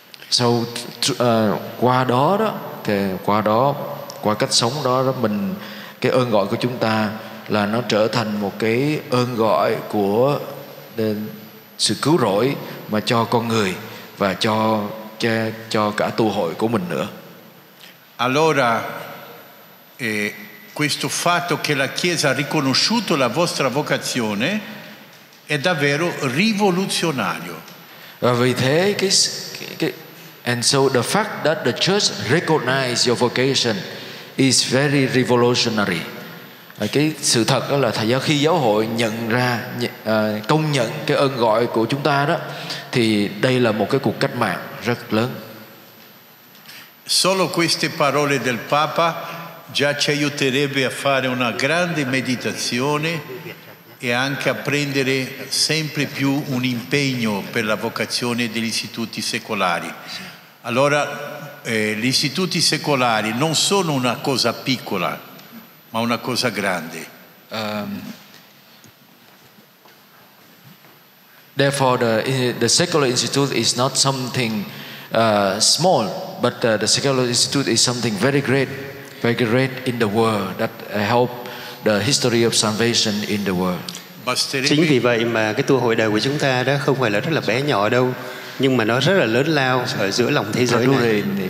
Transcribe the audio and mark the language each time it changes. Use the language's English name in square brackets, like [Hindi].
[Vietnamese] So qua đó qua cách sống đó mình cái ơn gọi của chúng ta là nó trở thành một cái ơn gọi của sự cứu rỗi mà cho con người và cho cả tu hội của mình nữa. [Italian] Allora questo fatto che la Chiesa ha riconosciuto la vostra vocazione è davvero rivoluzionario. [Vietnamese] Vì thế cái [English] and so the fact that the Church recognized your vocation is very revolutionary. [Vietnamese] Cái sự thật đó là thầy giáo khi giáo hội nhận ra công nhận cái ơn gọi của chúng ta đó thì đây là một cái cuộc cách mạng rất lớn. [Italian] Solo queste parole del Papa già ci aiuterebbe a fare una grande meditazione e anche a prendere sempre più un impegno per la vocazione degli istituti secolari. Allora, gli istituti secolari non sono una cosa piccola, ma una cosa grande. [English] Therefore, the secular institute is not something small, but the secular institute is something very great in the world that help the history of salvation in the world. [Vietnamese] Chính vì vậy mà cái tu hội đời của chúng ta đó không phải là rất là bé nhỏ đâu, nhưng mà nó rất là lớn lao ở giữa lòng thế giới này.